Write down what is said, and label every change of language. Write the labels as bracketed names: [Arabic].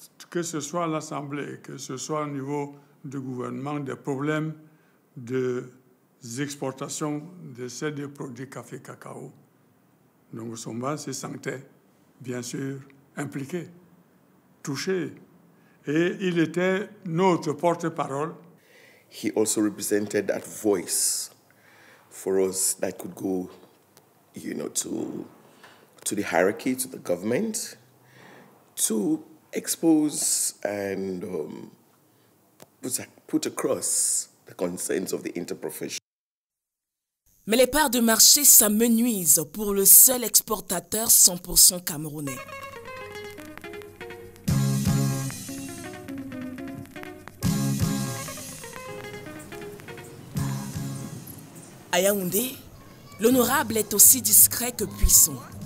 [French] que ce soit à l'Assemblée, que ce soit au niveau du gouvernement, des problèmes d'exportation de ces deux produits café-cacao. Donc, Somba se sentait, bien sûr, impliqué, touché. Et il était notre porte-parole. [English] He also represented that voice for us that could go, you know, to the hierarchy, to the government, to expose and put across the concerns of the interprofession. [French] Mais les parts de marché s'amenuisent pour le seul exportateur 100% camerounais. À Yaoundé, l'honorable est aussi discret que puissant.